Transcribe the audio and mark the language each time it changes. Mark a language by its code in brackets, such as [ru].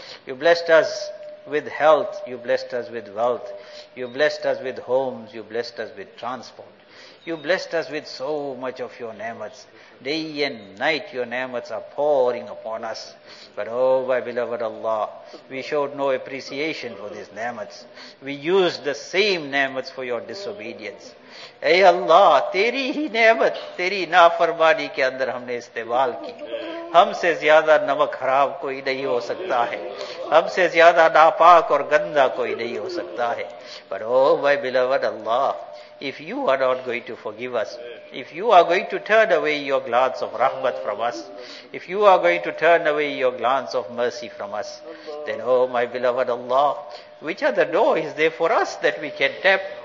[en] You blessed us with health, you blessed us with wealth, you blessed us with homes, you blessed us with transport. You blessed us with so much of your ni'mats. Day and night your ni'mats are pouring upon us. But oh my beloved Allah, we showed no appreciation for these ni'mats. We used the same ni'mats for your disobedience. [ur] اے اللہ, تیری ہی نعمت تیری نافرمانی کے اندر ہم نے استعمال کی. ہم سے زیادہ نمک حرام کوئی نہیں ہو سکتا ہے, ہم سے زیادہ ناپاک اور گندا کوئی نہیں ہو سکتا ہے. [en] But oh my beloved Allah, if you are not going to forgive us, if you are going to turn away your glance of rahmat from us, if you are going to turn away your glance of mercy from us, then oh my beloved Allah, which other door is there for us that we can tap?